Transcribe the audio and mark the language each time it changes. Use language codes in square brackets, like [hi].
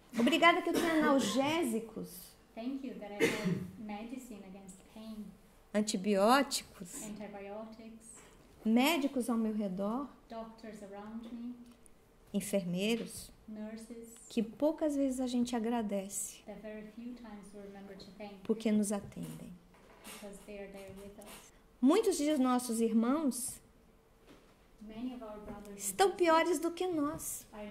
[pt] Obrigada que eu tenho analgésicos. [en] Thank you that I have medicine against pain. [pt] Antibióticos. [en] Antibiotics. [pt] Médicos ao meu redor. [en] Doctors around me. [pt] Enfermeiros. [en] Nurses. [pt] Que poucas vezes a gente agradece. [en] That very few times we remember to thank. [pt] Porque nos atendem. [en] Because they are there with us. [pt] Muitos dos nossos irmãos estão piores do que nós.